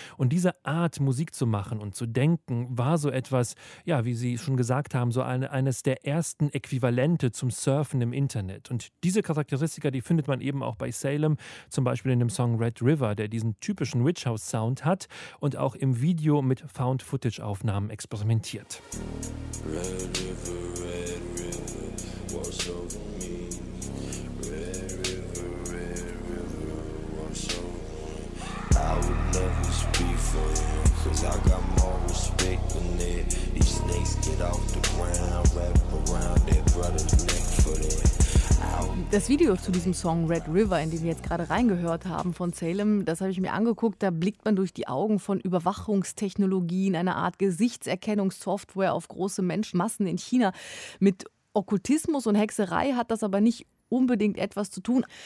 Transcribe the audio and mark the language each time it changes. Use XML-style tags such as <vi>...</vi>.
<de>Und diese Art, Musik zu machen und zu denken, war so etwas, ja, wie Sie schon gesagt haben, so eines der ersten Äquivalente zum Surfen im Internet. Und diese Charakteristika, die findet man eben auch bei Salem, zum Beispiel in dem Song Red River, der diesen typischen Witch House Sound hat und auch im Video mit Found-Footage-Aufnahmen experimentiert.</de> <en>Red River, Red River, wash over me. Red River, Red River, wash over me. I would love to speak for you, cause I got more respect than that. These snakes get off the ground, wrap around their brother's neck for that.</en> <de>Das Video zu diesem Song Red River, in dem wir jetzt gerade reingehört haben von Salem, das habe ich mir angeguckt. Da blickt man durch die Augen von Überwachungstechnologien, einer Art Gesichtserkennungssoftware auf große Menschenmassen in China. Mit Okkultismus und Hexerei hat das aber nicht unbedingt etwas zu tun.</de>